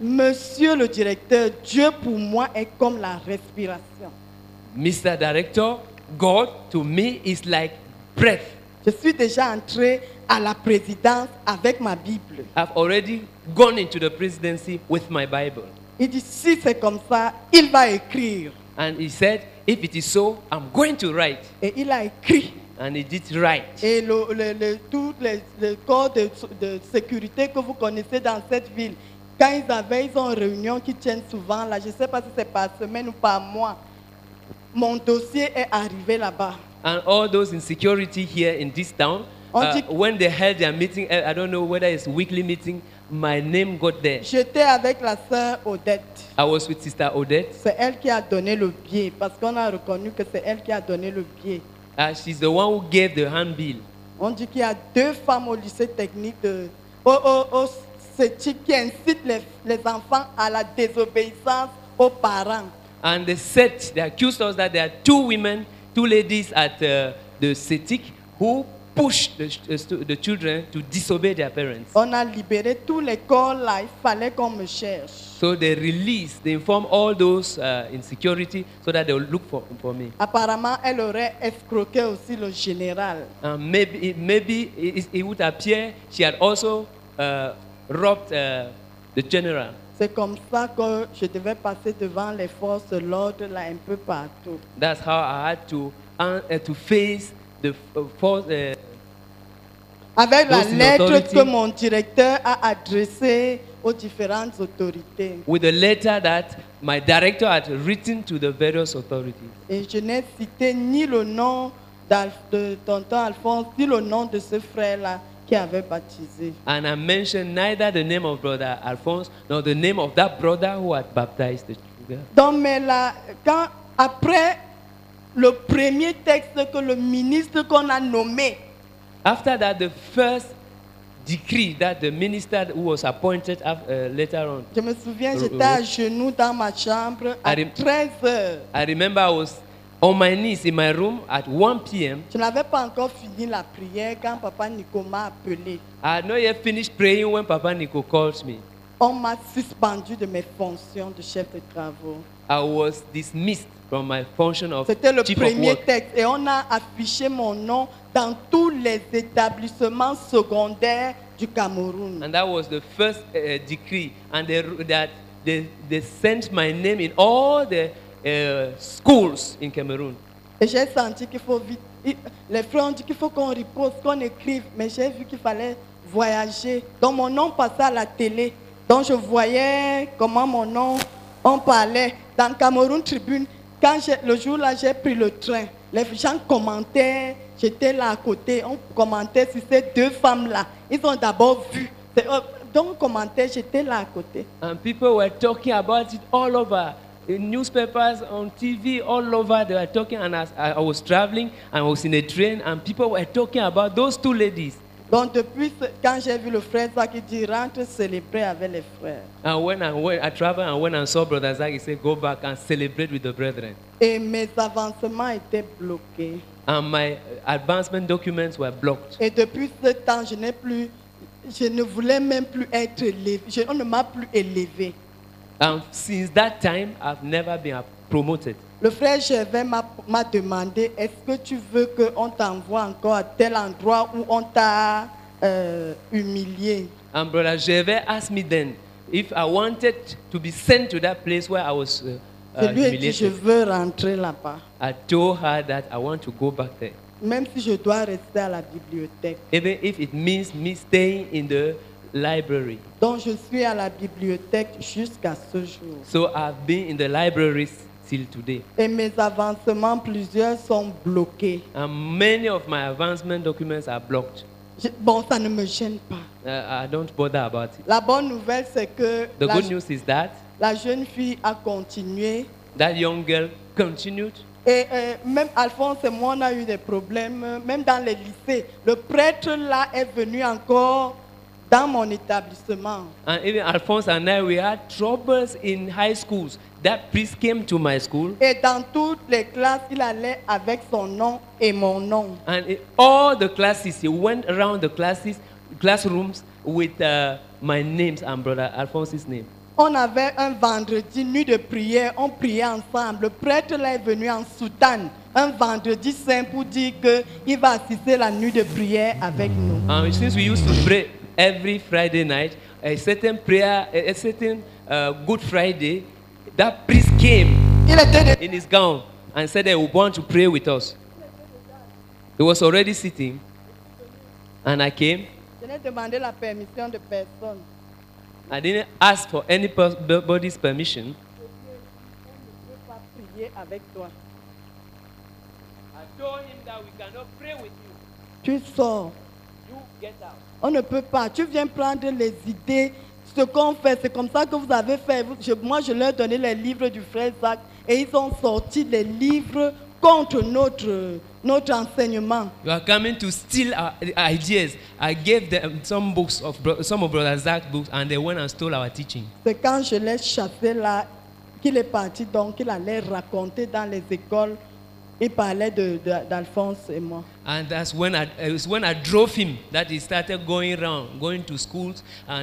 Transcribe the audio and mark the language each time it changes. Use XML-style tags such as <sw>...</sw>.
<fr>Monsieur le directeur, Dieu pour moi est comme la respiration.</fr> <en>Mr. Director, God to me is like breath.</en> <fr>Je suis déjà entré à la présidence avec ma Bible.</fr> <en>I've already gone into the presidency with my Bible.</en> <fr>Il dit, si c'est comme ça, il va écrire.</fr> <en>And he said, if it is so, I'm going to write.</en> <fr>Et il a écrit.</fr> <en>And he did write.</en> <fr>Et le corps de sécurité que vous connaissez dans cette ville, quand ils avaient, ils ont une réunion qui tiennent souvent là, je ne sais pas si c'est par semaine ou par mois, mon dossier est arrivé là-bas.</fr> <en>And all those in security here in this town, when they held their meeting, I don't know whether it's weekly meeting, my name got there.</en> <fr>J'étais avec la sœur Odette.</fr> <en>I was with Sister Odette.</en> <fr>C'est elle qui a donné le billet, parce qu'on a reconnu que c'est elle qui a donné le billet.</fr> <en>She's the one who gave the handbill.</en> <fr>On dit qu'il y a deux femmes au lycée technique de qui incitent les enfants à la désobéissance aux parents.</fr> <en>And they said, they accused us that there are two women, two ladies at the CETIC who push the children to disobey their parents.</en> <fr>On a libéré tous les corps là, il fallait qu'on me cherche.</fr> <en>So they released, they informed all those in security so that they would look for me.</en> <fr>Apparemment, elle aurait escroqué aussi le général.</fr> <en>And maybe it would appear she had also robbed the general.</en> <fr>C'est comme ça que je devais passer devant les forces de l'ordre là un peu partout.</fr> <en>That's how I had to face the force.</en> <fr>Avec la lettre que mon directeur a adressée aux différentes autorités.</fr> <en>With the letter that my director had written to the various authorities.</en> <fr>Et je n'ai cité ni le nom de tonton Alphonse ni le nom de ce frère là.</fr> <en>And I mentioned neither the name of brother Alphonse nor the name of that brother who had baptized the children.</en> <fr>Donc mais là, quand après le premier texte que le ministre qu'on a nommé.</fr> <en>After that, the first decree that the minister who was appointed later on.</en> <fr>Je me souviens, j'étais à genoux dans ma chambre à 13h.</fr> <en>I remember I was on my knees in my room at 1 p.m.</en> <fr>Je n'avais pas encore fini la prière quand Papa Nico m'a appelé.</fr> <en>I had not yet finished praying when Papa Nico called me.</en> <fr>On m'a suspendu de mes fonctions de chef de travaux.</fr> <en>I was dismissed from my function of chief of work.</en> <fr>C'était le premier texte et on a affiché mon nom dans tous les établissements secondaires du Cameroun.</fr> <en>And that was the first decree, and they sent my name in all the schools in Cameroon.</en> <fr>Et j'ai senti qu'il faut vite. Les frères ont dit qu'il faut qu'on repose, qu'on écrive. Mais j'ai vu qu'il fallait voyager. Donc mon nom passait à la télé. Donc je voyais comment mon nom on parlait dans Cameroun Tribune. Quand le jour là j'ai pris le train, les gens commentaient. J'étais là à côté. On commentait sur ces deux femmes là. Ils ont d'abord vu. Donc commentaient. J'étais là à côté.</fr> <en>And people were talking about it all over. In newspapers, on TV, all over, they were talking, and as I was traveling, I was in a train, and people were talking about those two ladies.</en> <fr>Donc depuis quand j'ai vu le frère Zach, il dit rentre célébrer avec les frères.</fr> <en>And when I travel and when I saw brother Zach, he said go back and celebrate with the brethren.</en> <fr>Et mes avancements étaient bloqués.</fr> <en>And my advancement documents were blocked.</en> <fr>Et depuis ce temps, je ne voulais même plus être élevé. On ne m'a plus élevé.</fr> <en>And since that time, I've never been promoted.</en> <fr>Le frère Gervais m'a demandé, est-ce que tu veux qu'on t'envoie encore à tel endroit où on t'a humilié?</fr> <en>And brother Gervais asked me then if I wanted to be sent to that place where I was humiliated.</en> <fr>Dit, je veux rentrer là-bas.</fr> <en>I told her that I want to go back there.</en> <fr>Même si je dois rester à la bibliothèque.</fr> <en>Even if it means me staying in the library.</en> <fr>Donc je suis à la bibliothèque jusqu'à ce jour.</fr> <en>So I've been in the libraries till today.</en> <fr>Et mes avancements plusieurs sont bloqués.</fr> <en>And many of my advancement documents are blocked.</en> <fr>Bon, ça ne me gêne pas.</fr> <en>I don't bother about it.</en> <fr>La bonne nouvelle c'est que</fr> <en>the good news is that</en> <fr>la jeune fille a continué.</fr> <en>That young girl continued.</en> <fr>Et même Alphonse et moi on a eu des problèmes même dans les lycées. Le prêtre là est venu encore dans mon établissement.</fr> <en>And even Alphonse and I, we had troubles in high schools. That priest came to my school.</en> <fr>Et dans toutes les classes, il allait avec son nom et mon nom.</fr> <en>And in all the classes, he went around the classes, classrooms with my name and brother Alphonse's name.</en> <fr>On avait un vendredi nuit de prière, on priait ensemble. Le prêtre là est venu en soutane. Un vendredi saint pour dire qu'il va assister la nuit de prière avec nous.</fr> <en>And since we used to pray every Friday night, a certain prayer, a certain Good Friday, that priest came in his gown and said that he would want to pray with us. He was already sitting, and I came.</en> <fr>Je n'ai demandé la permission de personne.</fr> <en>I didn't ask for anybody's permission.</en> <fr>Je ne peux pas prier avec toi.</fr> <en>I told him that we cannot pray with you.</en> <fr>Tu sors.</fr> <en>You get out.</en> <fr>On ne peut pas. Tu viens prendre les idées. Ce qu'on fait, c'est comme ça que vous avez fait. Moi, je leur ai donné les livres du frère Zach et ils ont sorti les livres contre notre enseignement.</fr> <en>You are coming to steal our ideas. I gave them some books of some of brother Zach's books and they went and stole our teaching.</en> <fr>C'est quand je l'ai chassé là qu'il est parti, donc il allait raconter dans les écoles. Il parlait d'Alphonse et moi.</fr> <en>And that's when I drove him that he started going around, going to schools and</en>